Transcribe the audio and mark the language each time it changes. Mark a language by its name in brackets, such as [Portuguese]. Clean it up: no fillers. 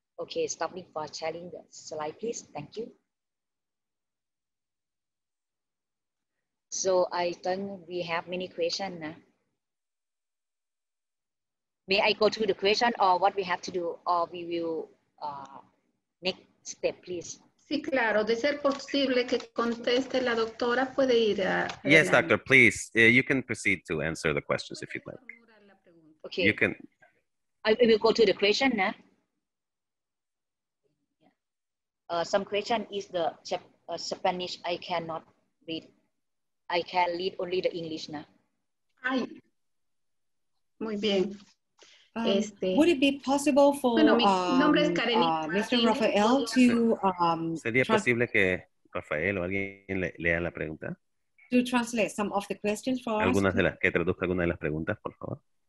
[English] Okay, stopping for sharing the slide, please. Thank you. So I think we have many questions. May I go to the question or what we have to do, or we will next step, please. [Spanish] Sí, claro. De ser posible que conteste la doctora, puede ir a... [English] Yes, doctor, please. You can proceed to answer the questions if you'd like. Okay. You can... I will go to the question. Some question is the Spanish. I cannot read. I can read only the English. [Spanish] Ay. Muy bien. [English] Would it be possible for Mr. Rafael to [Spanish] ¿Sería posible que Rafael o alguien lea la pregunta? [English] To translate some of the questions for [Spanish] algunas [English] us. [Spanish] De las que traduzca alguna de las preguntas, por favor.